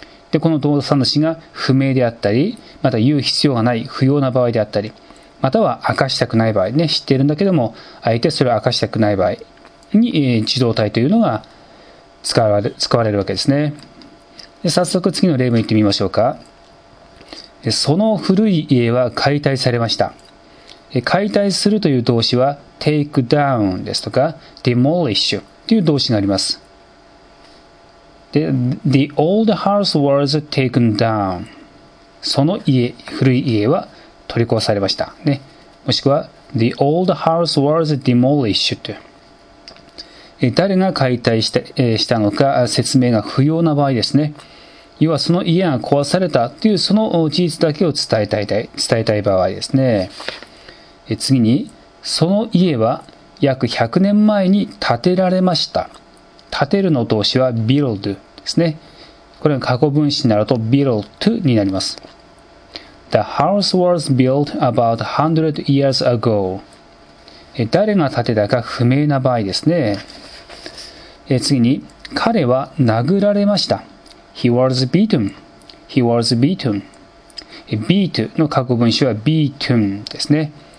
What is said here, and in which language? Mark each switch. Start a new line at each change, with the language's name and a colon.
Japanese: で、この動作の詞が不明であったり、また言う必要がない、不要な場合であったり、または明かしたくない場合ね、知っているんだけども、あえてそれを明かしたくない場合に、受動態というのが使われるわけですね。で、早速次の例文いってみましょうか。その古い家は解体されました。解体するという動詞は、take down ですとか、demolish という動詞があります。
English: で、the old house was taken down。
Japanese: その家、古い家は、取り壊されましたね。もしくは
English: The old house was demolished と。
Japanese: 誰が解体したのか説明が不要な場合ですね。要はその家が壊されたというその事実だけを伝えたい場合ですね。次に、その家は約100年前に建てられました。建てるの動詞は build ですね。これが過去分詞になると built になります。
English: The house was built about 100 years ago.
Japanese: 誰が建てたか不明な場合ですね。次に、彼は殴られました。
English: He was beaten. He was beaten. Beat
Japanese: の過去分詞は
English: beaten ですね。